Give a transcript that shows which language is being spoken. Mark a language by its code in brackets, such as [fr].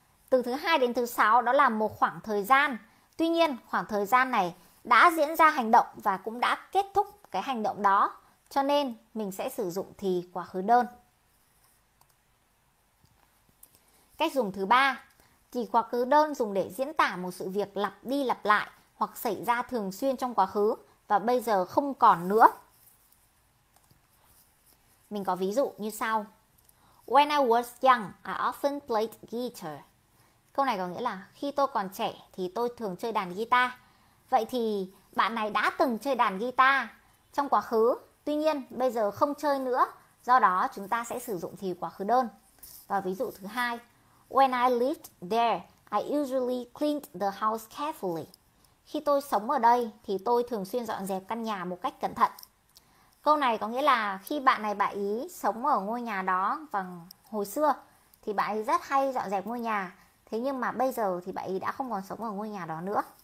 [vi] Từ thứ 2 đến thứ 6 đó là một khoảng thời gian. Tuy nhiên khoảng thời gian này đã diễn ra hành động và cũng đã kết thúc cái hành động đó, cho nên mình sẽ sử dụng thì quá khứ đơn. Cách dùng thứ ba, thì quá khứ đơn dùng để diễn tả một sự việc lặp đi lặp lại hoặc xảy ra thường xuyên trong quá khứ và bây giờ không còn nữa. Mình có ví dụ như sau. [en] When I was young, I often played guitar. [vi] Câu này có nghĩa là khi tôi còn trẻ thì tôi thường chơi đàn guitar. Vậy thì bạn này đã từng chơi đàn guitar trong quá khứ, tuy nhiên bây giờ không chơi nữa, do đó chúng ta sẽ sử dụng thì quá khứ đơn. Và ví dụ thứ hai. [en] When I lived there, I usually cleaned the house carefully. [vi] Khi tôi sống ở đây thì tôi thường xuyên dọn dẹp căn nhà một cách cẩn thận. Câu này có nghĩa là khi bạn này bạn ý sống ở ngôi nhà đó vào hồi xưa thì bạn ấy rất hay dọn dẹp ngôi nhà. Thế nhưng mà bây giờ thì bạn ý đã không còn sống ở ngôi nhà đó nữa.